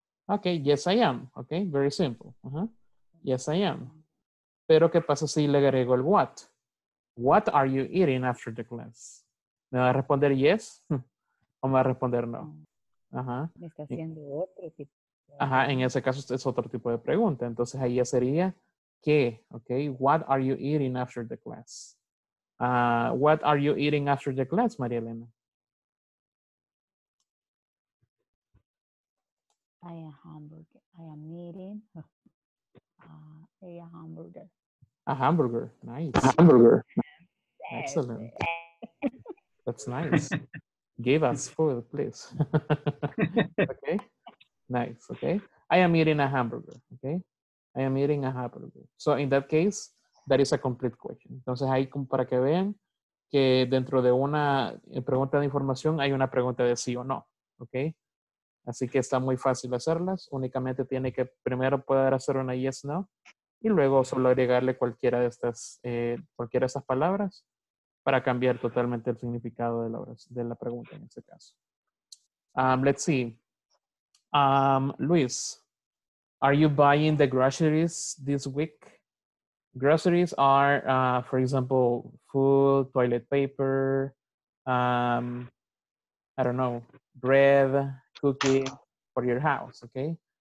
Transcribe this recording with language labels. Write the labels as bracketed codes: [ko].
[en] Okay, yes I am. Okay, very simple. Uh-huh. Yes I am. [es] Pero ¿qué pasa si le agrego el what? [en] What are you eating after the class? [es] ¿Me va a responder yes? ¿O me va a responder no? Uh-huh. Me está haciendo otro tipo. Ajá, en ese caso es otro tipo de pregunta. Entonces ahí ya sería ¿qué? [en] Okay, what are you eating after the class? What are you eating after the class, María Elena? I am hamburger. I am eating a hamburger. A hamburger. Nice. A hamburger. Excellent. That's nice. Give us food, please. Okay. Nice. Okay. I am eating a hamburger. Okay. I am eating a hamburger. So in that case, that is a complete question. [es] Entonces ahí como para que vean que dentro de una pregunta de información hay una pregunta de sí o no. Okay. Así que está muy fácil hacerlas. Únicamente tiene que primero poder hacer una yes, no. Y luego solo agregarle cualquiera de estas palabras para cambiar totalmente el significado de la pregunta en este caso. [en] Let's see. Luis, are you buying the groceries this week? Groceries are, for example, food, toilet paper, I don't know, bread, cookie for your house, okay?